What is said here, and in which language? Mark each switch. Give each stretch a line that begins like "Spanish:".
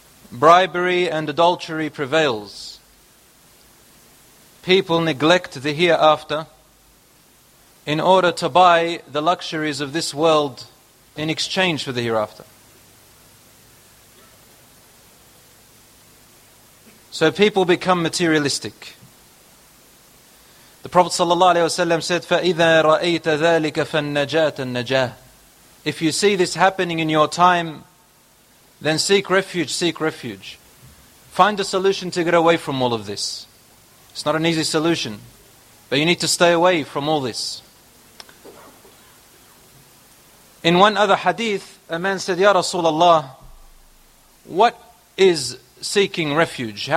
English: bribery and adultery prevails, people neglect the hereafter in order to buy the luxuries of this world in exchange for the hereafter. So people become materialistic. The Prophet ﷺ said,
Arabic: فَإِذَا رَأَيْتَ ذَٰلِكَ فَالنَّجَاةَ النَّجَاةَ.
English: If you see this happening in your time, then seek refuge. Find a solution to get away from all of this. It's not an easy solution, but you need to stay away from all this. In one other hadith, a man said, Ya Rasulullah, what is seeking refuge?